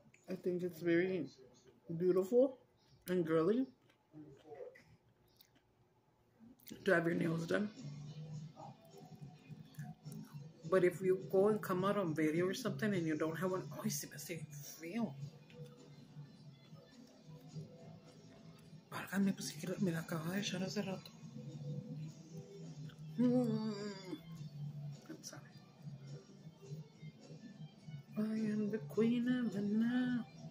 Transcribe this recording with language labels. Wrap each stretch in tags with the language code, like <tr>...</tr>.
<en>I think it's very beautiful and girly. To have your nails done. But if you go and come out on video or something and you don't have one, oh, it's supposed to be real.</en> <es>Válgame, pues, que me la acabo de echar hace rato.</es> <en>I'm sorry. I am the queen of the night.</en>